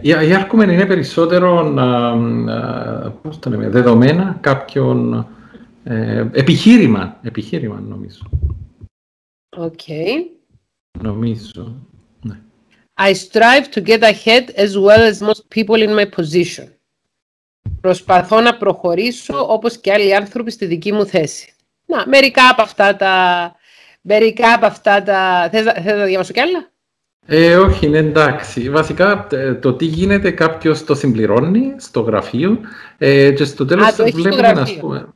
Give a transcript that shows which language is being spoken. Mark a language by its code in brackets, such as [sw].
[el] Η argument είναι περισσότερο πώς το λέμε, δεδομένα κάποιον επιχείρημα νομίζω. [en] Okay. [el] Νομίζω, ναι. [en] I strive to get ahead as well as most people in my position. [el] Προσπαθώ να προχωρήσω όπως και άλλοι άνθρωποι στη δική μου θέση. Να, μερικά από αυτά τα... Θες να διαβάσω κι άλλα? Όχι, είναι εντάξει. Βασικά, το τι γίνεται, κάποιος το συμπληρώνει στο γραφείο και στο τέλος βλέπουμε, ας πούμε...